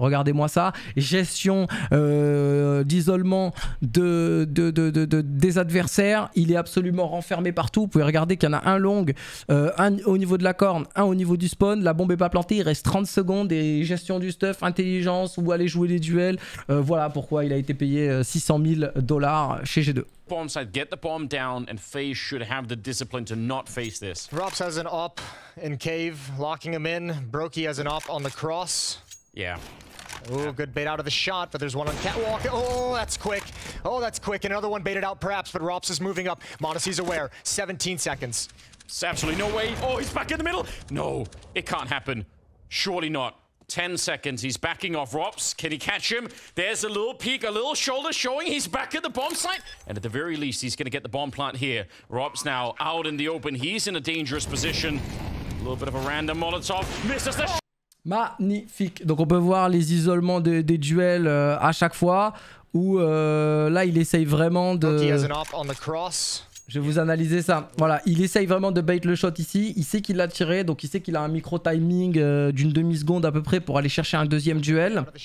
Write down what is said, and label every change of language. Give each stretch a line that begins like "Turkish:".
French: Regardez-moi ça, gestion d'isolement des adversaires. Il est absolument renfermé partout. Vous pouvez regarder qu'il y en a un long, un au niveau de la corne, un au niveau du spawn. La bombe n'est pas plantée, il reste 30 secondes et gestion du stuff, intelligence, où aller jouer les duels. Voilà pourquoi il a été payé $600,000
English: Bomb side, get the bomb down, and FaZe should have the discipline to not face this. Drops has an op in cave, locking him in. Brokey has an op on the cross. Yeah. Ooh, good bait out of the shot, but there's one on catwalk. Oh, that's quick. Another one baited out perhaps, but Rops is moving up. Modesty's aware. 17 seconds. It's absolutely no way. Oh, he's back in the middle. No, it can't happen. Surely not. 10 seconds, he's backing off Rops. Can he catch him? There's a little peek, a little shoulder showing he's back at the bomb site. And at the very least, he's going to get the bomb plant here. Rops now out in the open. He's in a dangerous position. A little bit of a random Molotov. Misses the shot.
French: Magnifique. Donc on peut voir les isolements des duels à chaque fois. Où là, il essaye vraiment de...
English: He has an op on the cross.
French: Je vais vous analyser ça. Voilà, il essaye vraiment de bait le shot ici. Il sait qu'il l'a tiré, donc il sait qu'il a un micro timing d'une demi seconde à peu près pour aller chercher un deuxième duel.